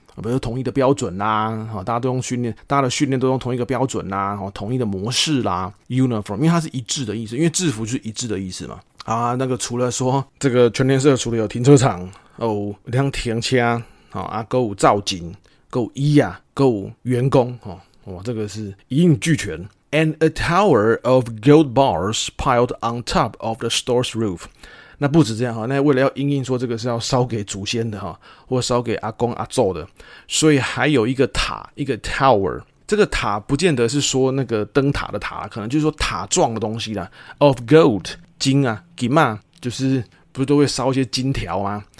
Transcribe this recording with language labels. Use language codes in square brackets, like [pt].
[zh] 比如说统一的标准啦，大家都用训练，大家的训练都用同一个标准啦，统一的模式啦， uniform， 因为它是一致的意思，因为制服就是一致的意思嘛。啊，那个除了说这个全联社除了有停车场，哦，两停车，啊，够有造景，够有衣啊，够有员工，哦，哇，这个是一应俱全。 [en] And a tower of gold bars piled on top of the store's roof。 [zh] 那不止这样，那为了要因应说这个是要烧给祖先的，或烧给阿公阿祖的，所以还有一个塔，一个 tower， 这个塔不见得是说那个灯塔的塔，可能就是说塔状的东西啦， [en] of gold [zh] 金啊，金啊，就是不是都会烧一些金条吗？